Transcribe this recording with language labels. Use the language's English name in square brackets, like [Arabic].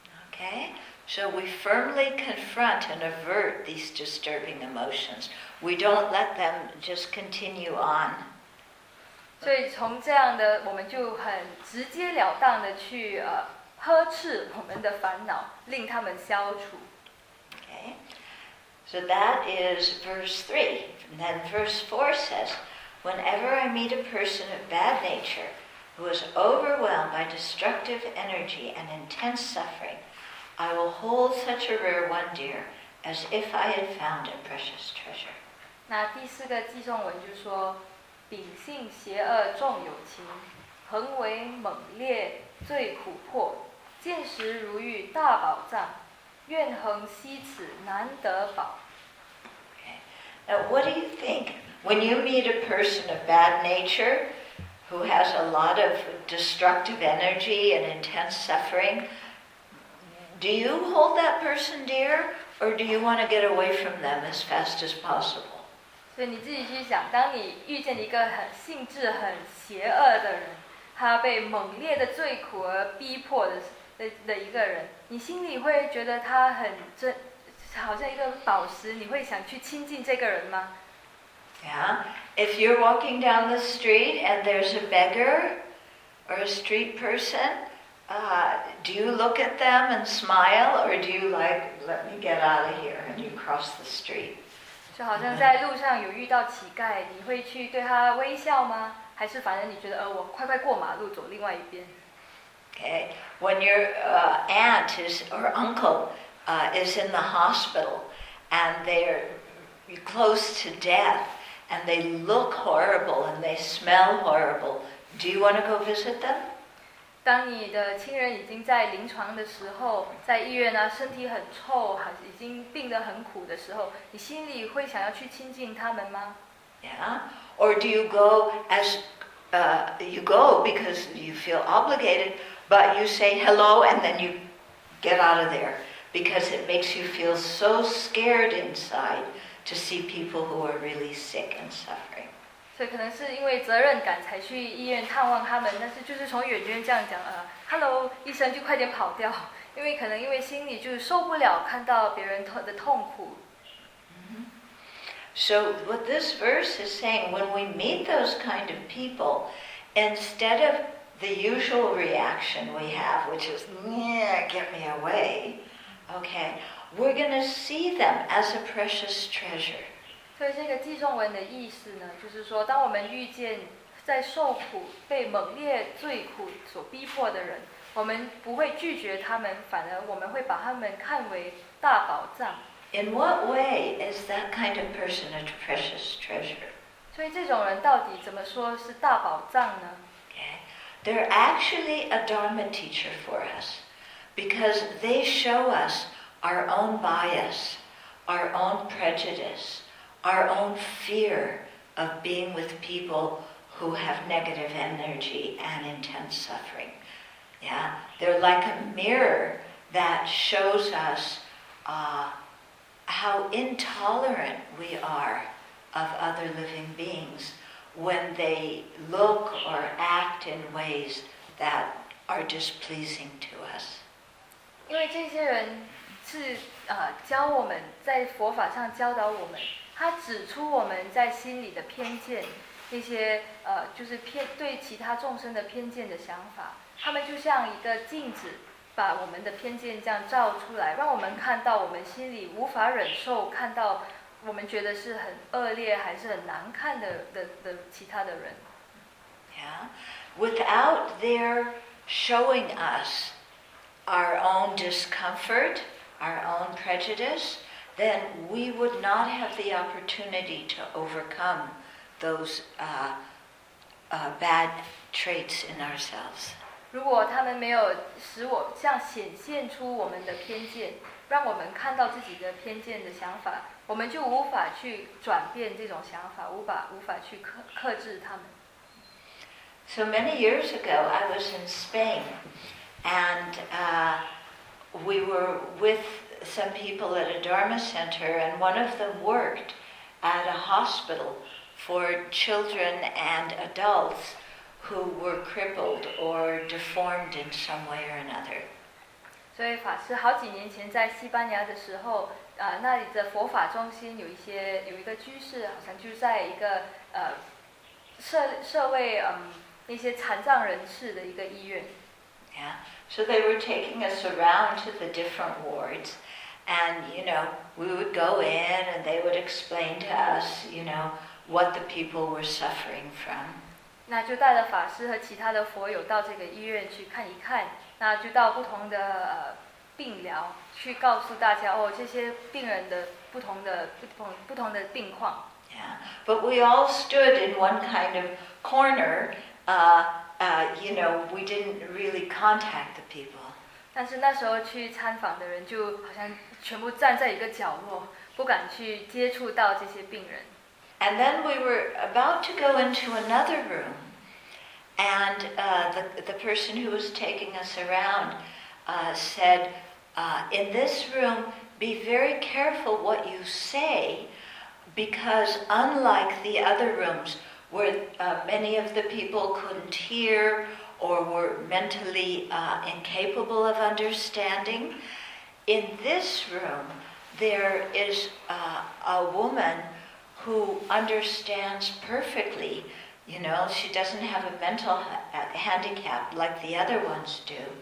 [English] Okay, so we firmly confront and avert these disturbing emotions. We don't let them just continue on. [Chinese] 所以从这样的，我们就很直截了当的去呵斥我们的烦恼，令他们消除。 [English] Okay, so that is verse 3. Then verse 4 says, whenever I meet a person of bad nature,who is overwhelmed by destructive energy and intense suffering, I will hold such a rare one dear as if I had found a precious treasure. [Chinese] 那第四个偈颂文就说，秉性邪恶重有情，恒为猛烈最苦迫，见时如遇大宝藏，愿恒惜此难得宝。 [English] Okay. Now what do you think? When you meet a person of bad nature,who has a lot of destructive energy and intense suffering, do you hold that person dear, or do you want to get away from them as fast as possible? [Chinese] 所以你自己去想，当你遇见一个很性质很邪恶的人，他被猛烈的罪苦而逼迫的一个人，你心里会觉得他很好像一个宝石，你会想去亲近这个人吗？ [English] Yeah, if you're walking down the street and there's a beggar or a street person, do you look at them and smile, or do you like, let me get out of here, and you cross the street? [Chinese] 就好像在路上有遇到乞丐，你会去对他微笑吗？还是反正你觉得，我快快过马路，走另外一边。 [English] Okay, when your aunt is or uncle is in the hospital and they're close to death. And they look horrible and they smell horrible. Do you want to go visit them? [Chinese] 当你的亲人已经在临床的时候，在医院啊，身体很臭，已经病得很苦的时候，你心里会想要去亲近他们吗？ [English] Yeah. Or do you go as you go because you feel obligated, but you say hello and then you get out of there because it makes you feel so scared inside. To see people who are really sick and suffering. [Chinese] 所以可能是因为责任感才去医院探望他们，但是就是从远远这样讲，Hello, 医生就快点跑掉，因为可能因为心里就受不了看到别人的痛苦。 [English] So what this verse is saying, when we meet those kind of people, instead of the usual reaction we have, which is, get me away, okay, we're going to see them as a precious treasure. [Chinese] 所以这个记诵文的意思呢，就是说，当我们遇见在受苦、被猛烈罪苦所逼迫的人，我们不会拒绝他们，反而我们会把他们看为大宝藏。 [English] In what way is that kind of person a precious treasure? [Chinese] 所以这种人到底怎么说是大宝藏呢？ [English] Okay. They're actually a Dharma teacher for us because they show us our own bias, our own prejudice, our own fear of being with people who have negative energy and intense suffering. Yeah, they're like a mirror that shows us how intolerant we are of other living beings when they look or act in ways that are displeasing to us. [Chinese] 因为这些人是教我们在佛法上教导我们，他指出我们在心里的偏见，那些就是对其他众生的偏见的想法，他们就像一个镜子。把我们的偏见这样照出来，让我们看到我们心里无法忍受，看到我们觉得是很恶劣还是很难看的其他的人。 [English] Yeah, without their showing us our own discomfort, our own prejudice, then we would not have the opportunity to overcome those bad traits in ourselves. [Chinese] 如果他们没有使我像显现出我们的偏见，让我们看到自己的偏见的想法，我们就无法去转变这种想法，无法去克制他们。 [English] So many years ago, I was in Spain, and we were with some people at a Dharma center, and one of them worked at a hospital for children and adults. Who were crippled or deformed in some way or another. [Chinese] 所以法师好几年前在西班牙的时候，那里的佛法中心有一个居士，好像就在一个设为那些残障人士的一个医院。 [English] Yeah. So they were taking us around to the different wards, and you know we would go in and they would explain to us, you know, what the people were suffering from. [Chinese] 那就带了法师和其他的佛友到这个医院去看一看，那就到不同的病疗去告诉大家哦，这些病人的不同的病况。 [English] Yeah, but we all stood in one kind of corner. You know, we didn't really contact the people. [Chinese] 但是那时候去参访的人就好像全部站在一个角落，不敢去接触到这些病人。 [English] And then we were about to go into another room, and the person who was taking us around said, in this room, be very careful what you say, because unlike the other rooms, where many of the people couldn't hear or were mentally incapable of understanding, in this room, there is a woman,who understands perfectly, you know, she doesn't have a mental handicap like the other ones do.